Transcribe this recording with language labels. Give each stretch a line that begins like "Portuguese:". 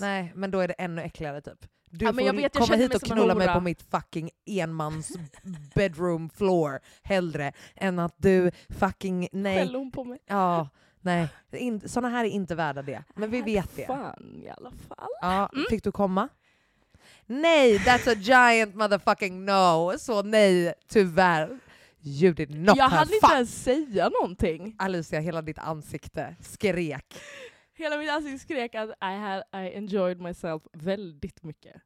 Swedish: Nej, men då är det ännu äckligare typ. Du får jag vet, komma jag hit och knulla mig på mitt fucking enmans bedroom floor hellre än att du fucking nej. Skäller hon på mig? Ja, nej. Såna här är inte värda det. Men vi vet det. Fan i alla fall. Ja, fick du komma?
English: Nej, that's a giant motherfucking no.
Swedish: Så nej, tyvärr.
English: You did not have fun.
Swedish: Jag hann inte ens säga någonting. Alicia, hela ditt ansikte skrek. Hela mitt ansikte skrek att
English: I enjoyed myself
Swedish: väldigt mycket.